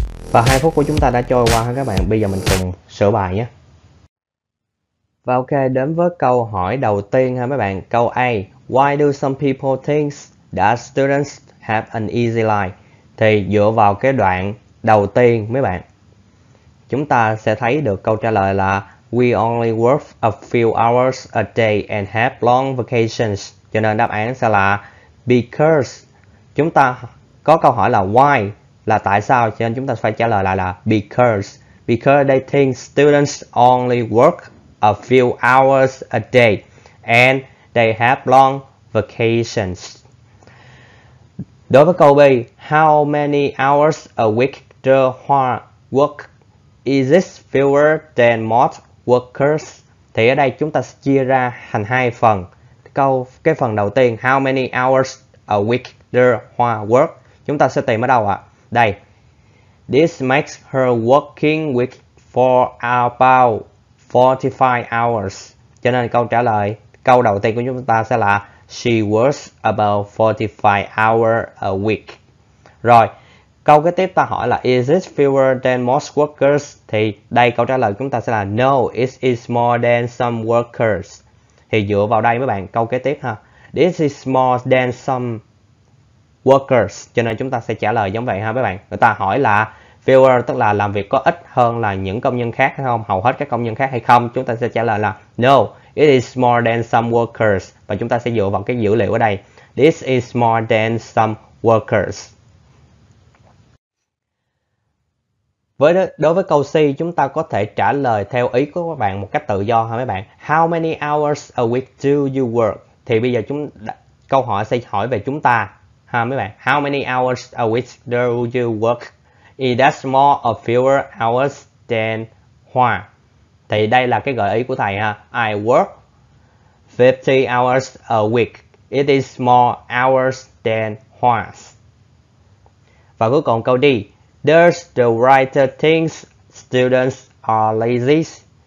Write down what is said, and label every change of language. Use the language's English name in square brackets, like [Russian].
[Vietnamese] Và 2 phút của chúng ta đã trôi qua ha các bạn, bây giờ mình cùng sửa bài nhé. Và ok, đến với câu hỏi đầu tiên ha mấy bạn. Câu A, [English] why do some people think that students have an easy life? [Vietnamese] Thì dựa vào cái đoạn đầu tiên mấy bạn, chúng ta sẽ thấy được câu trả lời là [English] we only work a few hours a day and have long vacations. [Vietnamese] Cho nên đáp án sẽ là because. Chúng ta có câu hỏi là why, là tại sao, cho nên chúng ta phải trả lời lại là because. [English] Because they think students only work a few hours a day and they have long vacations. [Vietnamese] Đối với câu B, [English] how many hours a week do Hoa work? Is it fewer than most workers? [Vietnamese] Thì ở đây chúng ta chia ra thành hai phần. Cái phần đầu tiên, [English] how many hours a week do Hoa work? [Vietnamese] Chúng ta sẽ tìm ở đâu ạ? Đây. [English] This makes her working week for about 45 hours. [Vietnamese] Cho nên câu trả lời, câu đầu tiên của chúng ta sẽ là [English] she works about 45 hours a week. [Vietnamese] Rồi, câu kế tiếp ta hỏi là [English] is it fewer than most workers? [Vietnamese] Thì đây câu trả lời chúng ta sẽ là [English] no, it is more than some workers. [Vietnamese] Thì dựa vào đây mấy bạn, câu kế tiếp ha. [English] This is more than some workers. [Vietnamese] Cho nên chúng ta sẽ trả lời giống vậy ha mấy bạn. Người ta hỏi là fewer tức là làm việc có ít hơn là những công nhân khác hay không? Hầu hết các công nhân khác hay không? Chúng ta sẽ trả lời là [English] no, it is more than some workers. [Vietnamese] Và chúng ta sẽ dựa vào cái dữ liệu ở đây. [English] This is more than some workers. [Vietnamese] Đối với câu C, chúng ta có thể trả lời theo ý của các bạn một cách tự do ha mấy bạn. [English] How many hours a week do you work? [Vietnamese] Thì bây giờ câu hỏi sẽ hỏi về chúng ta ha mấy bạn. [English] How many hours a week do you work? Is that more or fewer hours than Hoa? [Vietnamese] Thì đây là cái gợi ý của thầy ha. [English] I work 50 hours a week. It is more hours than Hoa's. [Vietnamese] Và cuối cùng câu D. [English] Does the writer think students are lazy?